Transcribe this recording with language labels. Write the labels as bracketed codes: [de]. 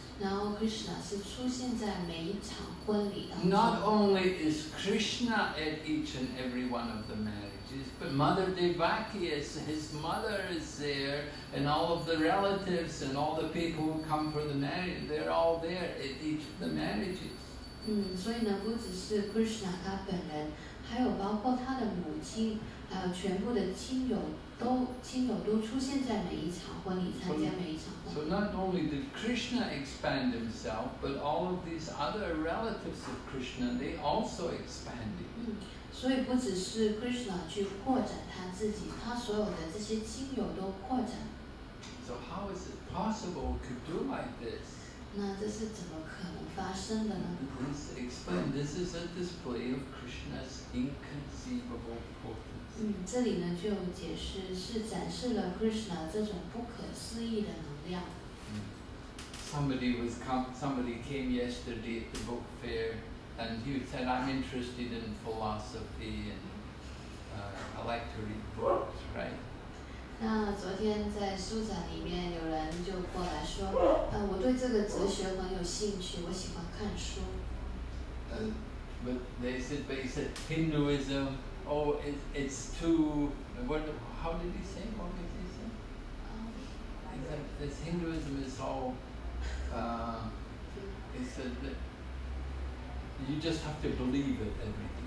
[zh] 然后Krishna是出现在每一场婚礼当中。 [en] Not only is Krishna at each and every one of the marriages. But Mother Devaki, his mother is there, and all of the relatives and all the people who come for the marriage, they're all there at each of the marriages. [zh] 所以呢，不只是 Krishna 他本人，还有包括他的母亲，还有全部的亲友都出现在每一场婚礼，参加每一场婚礼。 [en] So not only did Krishna expand himself, but all of these other relatives of Krishna, they also expanded. [zh] 所以不只是 Krishna 去扩展他自己，他所有的这些亲友都扩展。So [en] how is it possible to do like this? [zh] 那这是怎么可能发生的呢？This [en] explain. This is a display of Krishna's inconceivable potency. [zh] 这里呢就解释是展示了 Krishna 这种不可思议的能量。 [en] Somebody came yesterday at the book fair. And he said, I'm interested in philosophy and I like to read books, right? [zh] 那昨天在书展里面有人就过来说，我对这个哲学很有兴趣，我喜欢看书。 [en] But he said, Hinduism, oh, it's too, what, how did he say, what did he say? Hinduism is all, he said that, you just have to believe it, everything.